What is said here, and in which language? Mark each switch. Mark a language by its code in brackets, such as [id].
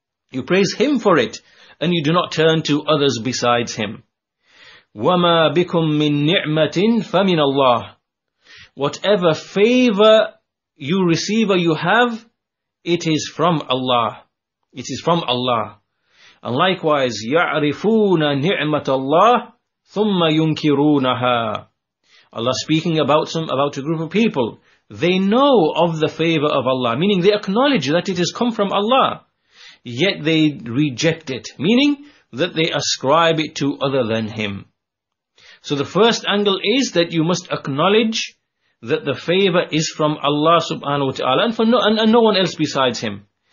[en] You praise Him for it, and you do not turn to others besides Him. [ar] وَمَا بِكُم مِّن نِعْمَةٍ فَمِنَ اللَّهِ. [en] Whatever favor you receive or you have, it is from Allah. It is from Allah. And likewise, [ar] يَعْرِفُونَ نِعْمَةَ اللَّهِ ثُمَّ يُنْكِرُونَهَا. [en] Allah speaking about a group of people. They know of the favor of Allah, meaning they acknowledge that it has come from Allah. Yet they reject it, meaning that they ascribe it to other than Him. So the first angle is that you must acknowledge that the favor is from Allah subhanahu wa ta'ala and no one else besides Him.